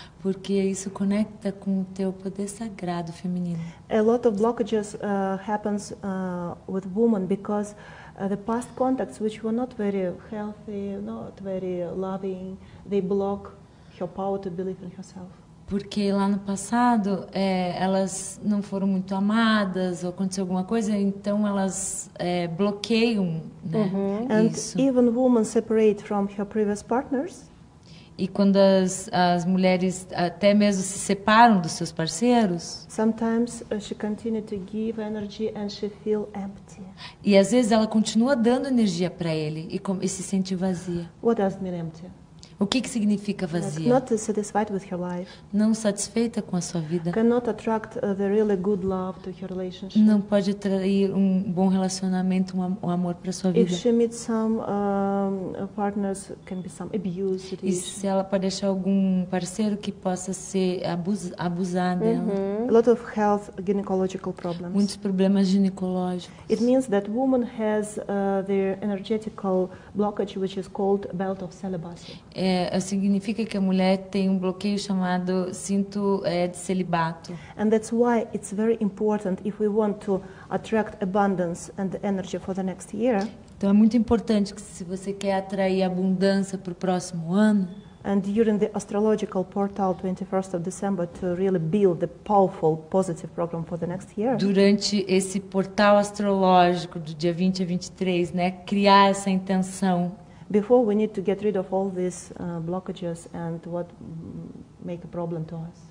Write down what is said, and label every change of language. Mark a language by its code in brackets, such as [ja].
[pt] Porque isso conecta com o teu poder sagrado feminino. [en] A lot of blockages happens with women because the past contacts which were not very healthy, not very loving, they block her power to believe in herself. [pt] Porque lá no passado elas não foram muito amadas ou aconteceu alguma coisa, então elas bloqueiam, né? Uh-huh. [en] And [pt] isso. [en] Even women separate from her previous partners. [pt] E quando as mulheres até mesmo se separam dos seus parceiros, [en] sometimes she continue to give energy and she feel empty. [pt] E às vezes ela continua dando energia para ele e se sente vazia. [en] What does it mean empty? [pt] O que que significa vazia? [en] Not satisfied with her life. [pt] Não satisfeita com a sua vida. [en] Cannot attract the really good love to her relationship. [pt] Não pode atrair um bom relacionamento, um amor para sua vida. [en] If she meets some partners, can be some abuse. [pt] E se ela pode achar algum parceiro que possa ser abusado dela? [en] A lot of health gynecological problems. [pt] Muitos problemas ginecológicos. [en] It means that woman has their energetical blockage, which is called belt of celibacy. [pt] Significa que a mulher tem um bloqueio chamado cinto de celibato. [en] And that's why it's very important if we want to attract abundance and energy for the next year. [pt] Então é muito importante que se você quer atrair abundância para o próximo ano. [en] And during the astrological portal, 21st of December, to really build the powerful positive program for the next year. [pt] Durante esse portal astrológico do dia 20 a 23, né, criar essa intenção. [en] Before we need to get rid of all these blockages and what make a problem to us.